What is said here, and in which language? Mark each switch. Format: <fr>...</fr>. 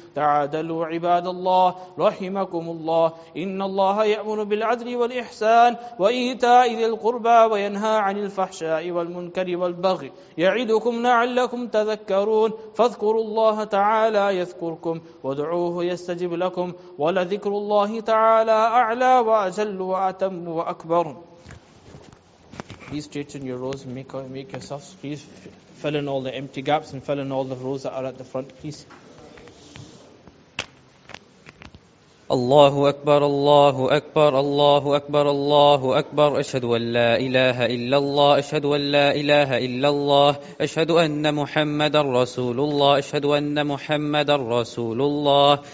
<ar>تعادلوا عباد الله، رحمكم الله، إن الله يأمر بالعدل والإحسان وإيتاء ذي القربى وينهى عن الفحشاء والمنكر والبغي يعدكم لعلكم تذكرون. فاذكروا الله تعالى يذكركم، وادعوه يستجب لكم، ولذكر الله تعالى أعلى وأجل وأتم وأكبر.</ar> <en>Please straighten your rows and make yourselves. Please fill in all the empty gaps and fill in all the rows that are at the front, please.</en> <ar>الله أكبر الله أكبر الله أكبر الله أكبر، أشهد أن لا إله إلا الله، أشهد أن لا إله إلا الله، أشهد أن محمد رسول الله، أشهد أن محمد رسول الله.</ar>